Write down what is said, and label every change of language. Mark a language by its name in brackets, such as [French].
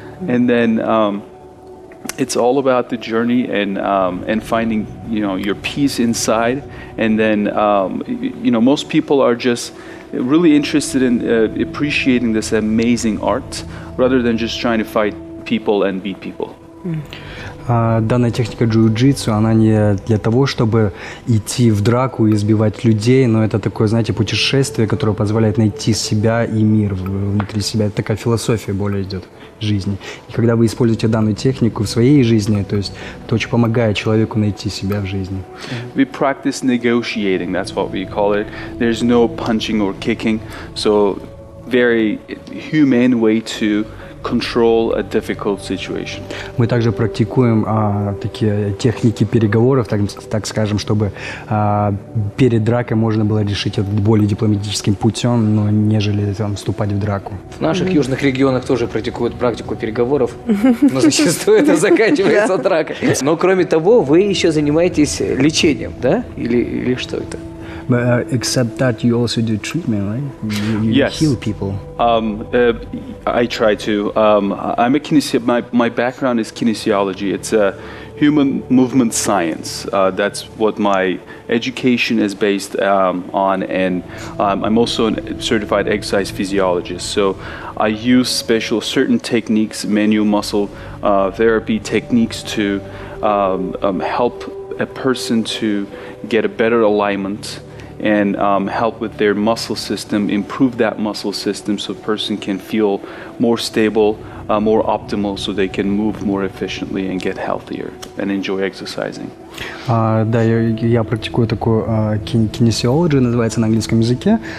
[English] And then it's all about the journey and finding your peace inside. And then most people are just really interested in appreciating this amazing art rather than just trying to fight people and beat people. [Russian] Данная техника джиу-джитсу, она не для того, чтобы идти в драку и избивать людей, но это такое, знаете, путешествие, которое позволяет найти себя и мир внутри себя. Это такая философия более идет жизни. И когда вы используете данную технику в своей жизни, то есть это очень помогает человеку найти себя в жизни. [English] We practice negotiating, that's what we call it. There's no punching or kicking, so very humane way to control a difficult situation. [Russian] Мы также практикуем такие техники переговоров, так скажем, чтобы перед дракой можно было решить это более дипломатическим путем, но нежели там вступать в драку. В наших южных регионах тоже практикуют практику переговоров, но зачастую это заканчивается дракой. Но кроме того, вы еще занимаетесь лечением, да? Или что это? [English] But except that, you also do treatment, right? Yes. Heal people. I try to. I'm a kinesiologist. My background is kinesiology. It's a human movement science. That's what my education is based on. And I'm also a certified exercise physiologist. So I use certain techniques, manual muscle therapy techniques to help a person to get a better alignment and help with their muscle system, improve that muscle system so a person can feel more stable, more optimal, so they can move more efficiently and get healthier and enjoy exercising. [Russian] Да, я практикую такую кинезиологию, называется на английском языке.